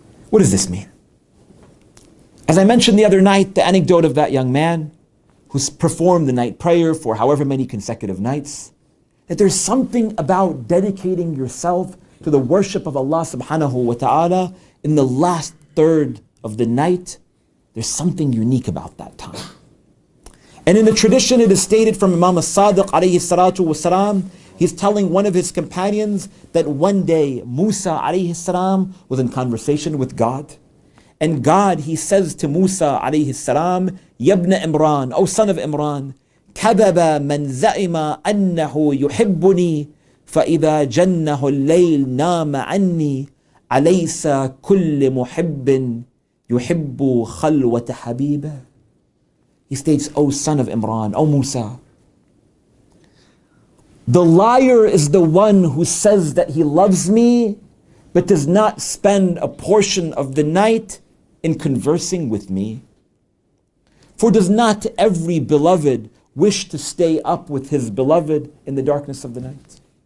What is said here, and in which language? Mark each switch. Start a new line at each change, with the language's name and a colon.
English: What does this mean? As I mentioned the other night, the anecdote of that young man who performed the night prayer for however many consecutive nights, that there's something about dedicating yourself to the worship of Allah subhanahu wa ta'ala in the last third of the night. There's something unique about that time. And in the tradition, it is stated from Imam As-Sadiq alayhi salatu wasalam, he's telling one of his companions that one day Musa alayhi salam was in conversation with God. And God, he says to Musa alayhi salam, "Yabna Imran, O son of Imran,
Arabic: كَبَبَ مَنْ زَعِمَ أَنَّهُ يُحِبُّنِي فَإِذَا جَنَّهُ اللَّيْلْ نَامَ عَنِّي أَلَيْسَ كُلِّ مُحِبٍ يُحِبُّ خَلْوَةَ حَبِيبًا."
English: He states, "O son of Imran, O Musa, the liar is the one who says that he loves me, but does not spend a portion of the night in conversing with me. For does not every beloved wish to stay up with his beloved in the darkness of the night?